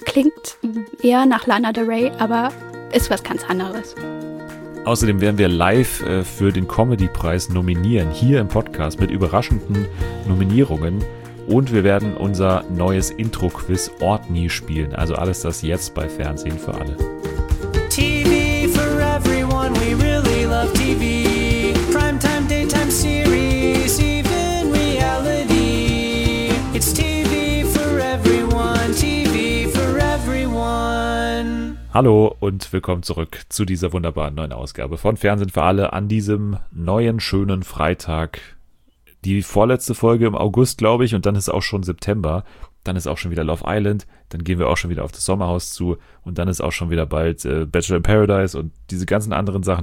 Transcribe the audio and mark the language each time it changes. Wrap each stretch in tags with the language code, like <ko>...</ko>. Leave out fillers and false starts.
<de>Klingt eher nach Lana Del Rey, aber ist was ganz anderes. Außerdem werden wir live für den Comedy-Preis nominieren, hier im Podcast mit überraschenden Nominierungen. Und wir werden unser neues Intro-Quiz Ort nie spielen. Also alles das jetzt bei Fernsehen für alle.</de> <en>TV for everyone, we really love TV. Primetime, daytime series, even reality. It's TV for everyone, TV for everyone.</en> <de>Hallo und willkommen zurück zu dieser wunderbaren neuen Ausgabe von Fernsehen für alle an diesem neuen schönen Freitag. Die vorletzte Folge im August, glaube ich, und dann ist auch schon September. Dann ist auch schon wieder Love Island, dann gehen wir auch schon wieder auf das Sommerhaus zu und dann ist auch schon wieder bald Bachelor in Paradise und diese ganzen anderen Sachen.</de>